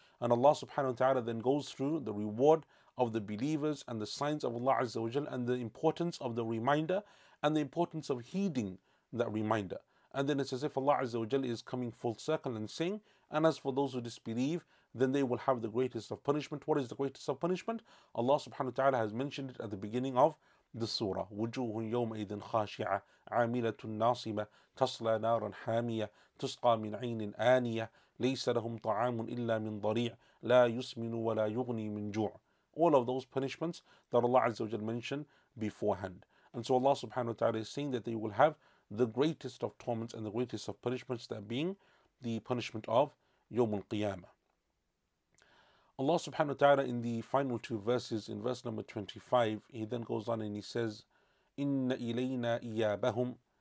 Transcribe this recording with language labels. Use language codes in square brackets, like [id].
[en] And Allah subhanahu wa ta'ala then goes through the reward of the believers and the signs of Allah Azza wa Jal and the importance of the reminder and the importance of heeding that reminder. And then it's as if Allah Azza wa Jal is coming full circle and saying, and as for those who disbelieve, then they will have the greatest of punishment. What is the greatest of punishment? Allah subhanahu wa ta'ala has mentioned it at the beginning of the surah. [ar] وجوه يومئذ خاشعة عاملة ناصبة تصلى نارا حامية تسقى من عين آنية ليس لهم طعام إلا من ضريع لا يسمن ولا يغني من جوع. [en] All of those punishments that Allah Azza wa Jal mentioned beforehand. And so Allah subhanahu wa ta'ala is saying that they will have the greatest of torments and the greatest of punishments, that being the punishment of يوم القيامة. Allah subhanahu wa ta'ala in the final two verses, in verse number 25, he then goes on and he says, Inna ilayna iyabahum.